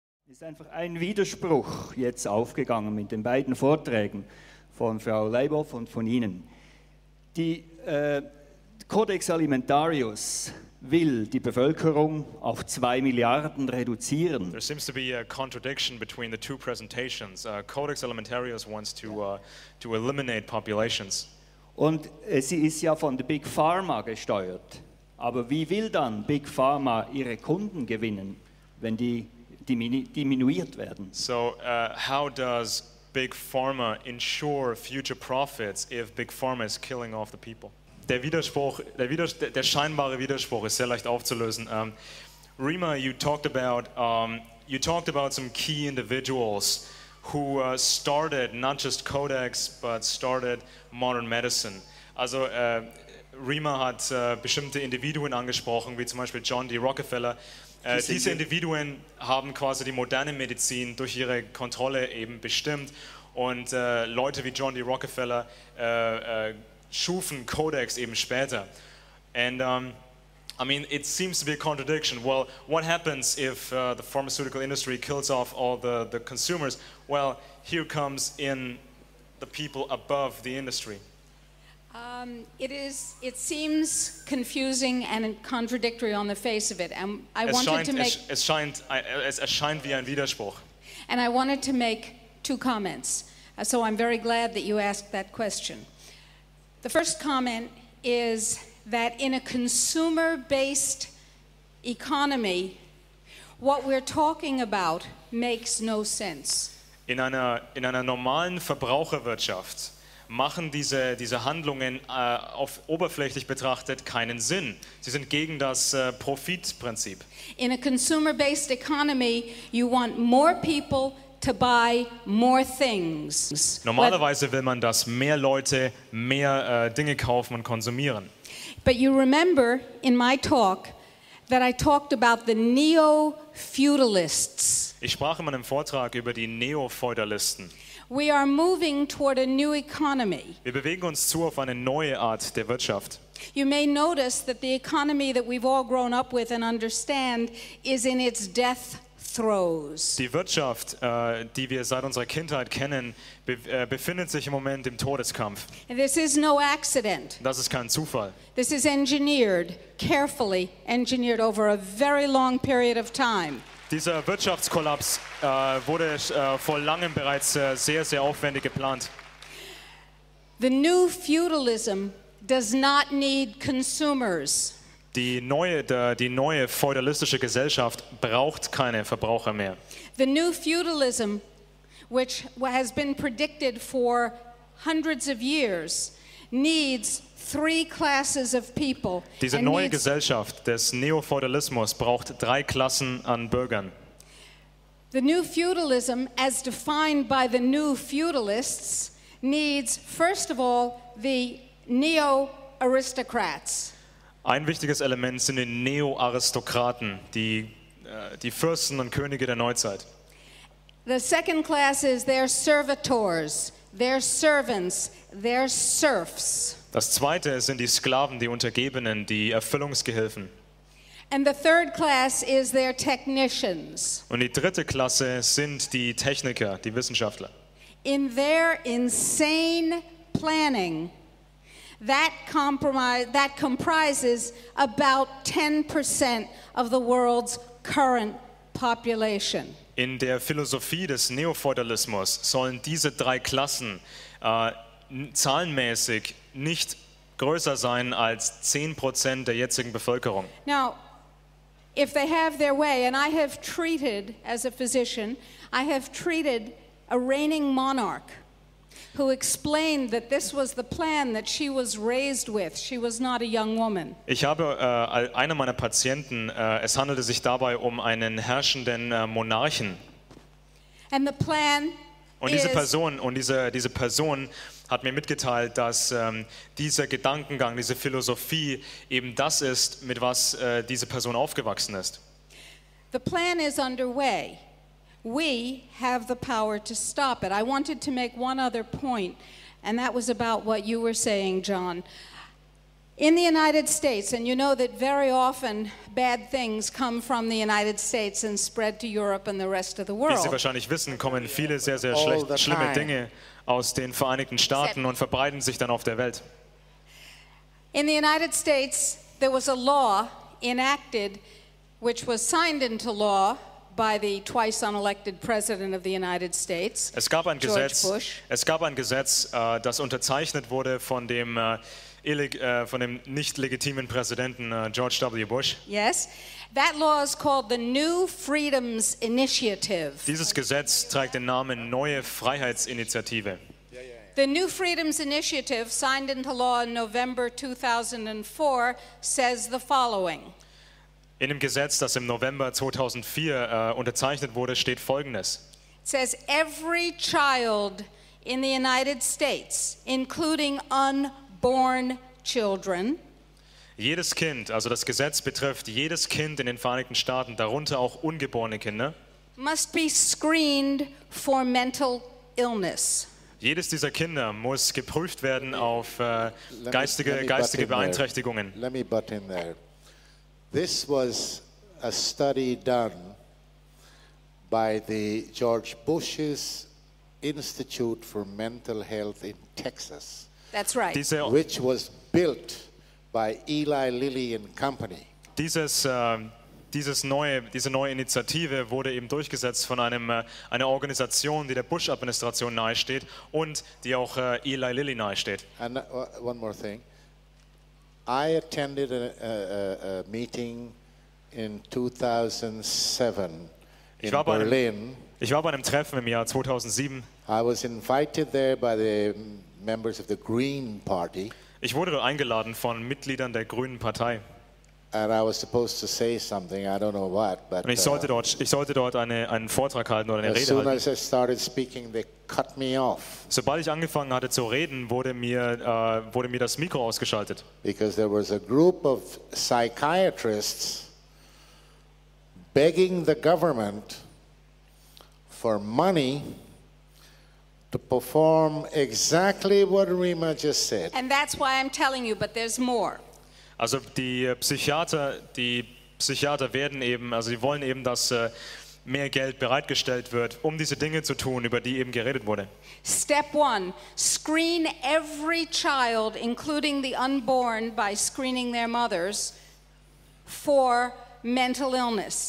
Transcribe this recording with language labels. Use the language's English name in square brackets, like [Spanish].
[German] Ist einfach ein Widerspruch jetzt aufgegangen mit den beiden Vorträgen von Frau Laibow und von Ihnen. Die Codex Alimentarius will die Bevölkerung auf 2 Milliarden reduzieren. [English] There seems to be a contradiction between the two presentations. Codex Alimentarius wants to eliminate populations. [German] Und sie ist ja von der Big Pharma gesteuert. Aber wie will dann Big Pharma ihre Kunden gewinnen, wenn die diminuiert werden? [English] So, how does Big Pharma ensure future profits if Big Pharma is killing off the people? [German] Der scheinbare Widerspruch ist sehr leicht aufzulösen. [English] Rima, you talked about some key individuals who started not just Codex, but started modern medicine. [German] Also Rima hat bestimmte Individuen angesprochen, wie zum Beispiel John D. Rockefeller. Diese Individuen haben quasi die moderne Medizin durch ihre Kontrolle eben bestimmt und Leute wie John D. Rockefeller schufen Codex eben später. [English] And I mean, it seems to be a contradiction. Well, what happens if the pharmaceutical industry kills off all the consumers? Well, here comes in the people above the industry. It seems confusing and contradictory on the face of it, and [German] es erscheint wie ein Widerspruch. [English] And I wanted to make two comments. So I'm very glad that you asked that question. The first comment is that in a consumer-based economy, what we're talking about makes no sense. [German] In einer normalen Verbraucherwirtschaft machen diese Handlungen auf oberflächlich betrachtet keinen Sinn. Sie sind gegen das Profitprinzip. [English] In a consumer-based economy, you want more people to buy more things. [German] Normalerweise will man, dass mehr Leute mehr Dinge kaufen und konsumieren. [English] But you remember in my talk that I talked about the neo-feudalists. [German] Ich sprach in meinem Vortrag über die Neo-Feudalisten. [English] We are moving toward a new economy. [German] Wir bewegen uns zu auf eine neue Art der Wirtschaft. [English] You may notice that the economy that we've all grown up with and understand is in its death throes. [German] Die Wirtschaft, die wir seit unserer Kindheit kennen, befindet sich im Moment im Todeskampf. [English] This is no accident. [German] Das ist kein Zufall. [English] This is engineered, carefully engineered over a very long period of time. [German] Dieser Wirtschaftskollaps wurde vor langem bereits sehr, sehr aufwendig geplant. [English] The new feudalism does not need consumers. [German] Die neue feudalistische Gesellschaft braucht keine Verbraucher mehr. [English] The new feudalism, which has been predicted for hundreds of years, needs three classes of people. [German] Diese neue Gesellschaft des Neofeudalismus braucht drei Klassen an Bürgern. [English] The new feudalism, as defined by the new feudalists, needs first of all the neo-aristocrats. [German] Ein wichtiges Element sind die Neo-Aristokraten, die Fürsten und Könige der Neuzeit. [English] The second class is their servitors, their servants, their serfs. [German] Das zweite sind die Sklaven, die Untergebenen, die Erfüllungsgehilfen. [English] And the third class is their technicians. [German] Und die dritte Klasse sind die Techniker, die Wissenschaftler. [English] In their insane planning, that comprises about 10% of the world's current population. [German] In der Philosophie des Neofeudalismus sollen diese drei Klassen zahlenmäßig nicht größer sein als 10% der jetzigen Bevölkerung. [English] Now, if they have their way, and I have treated, as a physician, I have treated a reigning monarch who explained that this was the plan that she was raised with. She was not a young woman. [German] Ich habe einer meiner Patienten, es handelte sich dabei um einen herrschenden Monarchen. [English] And the plan [German] und diese Person, hat mir mitgeteilt, dass dieser Gedankengang, diese Philosophie eben das ist, mit was diese Person aufgewachsen ist. [English] The plan is underway. We have the power to stop it. I wanted to make one other point, and that was about what you were saying, John. In the United States, and you know that very often bad things come from the United States and spread to Europe and the rest of the world. [German] Wie Sie wahrscheinlich wissen, kommen viele sehr, sehr schlimme Dinge aus den Vereinigten Staaten und verbreiten sich dann auf der Welt. [English] In the United States, there was a law enacted, which was signed into law by the twice unelected president of the United States, George Bush. [German] Es gab ein Gesetz, das unterzeichnet wurde von dem nicht legitimen Präsidenten George W. Bush. [English] Yes, that law is called the New Freedoms Initiative. [German] Dieses Gesetz trägt den Namen Neue Freiheitsinitiative. [English] The New Freedoms Initiative, signed into law in November 2004, says the following. [German] In dem Gesetz, das im November 2004 unterzeichnet wurde, steht Folgendes. [English] It says every child in the United States, including unborn children. [German] Jedes Kind, also das Gesetz betrifft jedes Kind in den Vereinigten Staaten, darunter auch ungeborene Kinder. [English] Must be screened for mental illness. [German] Jedes dieser Kinder muss geprüft werden auf geistige Beeinträchtigungen. [English] Let me butt in there. This was a study done by the George Bush's Institute for Mental Health in Texas. That's right. Which was built by Eli Lilly and Company. [German] Dieses, diese neue Initiative wurde eben durchgesetzt von einer Organisation, die der Bush-Administration nahesteht und die auch Eli Lilly nahesteht. [English] And one more thing. I attended a meeting in 2007 in Berlin. [German] Ich war bei einem Treffen im Jahr 2007. [English] I was invited there by the members of the Green Party. [German] Ich wurde dort eingeladen von Mitgliedern der Grünen Partei. [English] And I was supposed to say something, I don't know what, but [German] ich sollte dort einen Vortrag halten oder eine Rede halten. [English] As soon as I started speaking, they cut me off. [German] Sobald ich angefangen hatte zu reden, wurde mir das Mikro ausgeschaltet. [English] Because there was a group of psychiatrists begging the government for money to perform exactly what Rima just said. And that's why I'm telling you, but there's more. [German] Also die Psychiater werden eben, also sie wollen eben, dass mehr Geld bereitgestellt wird, um diese Dinge zu tun, über die eben geredet wurde. [English] Step 1, screen every child, including the unborn, by screening their mothers for mental illness.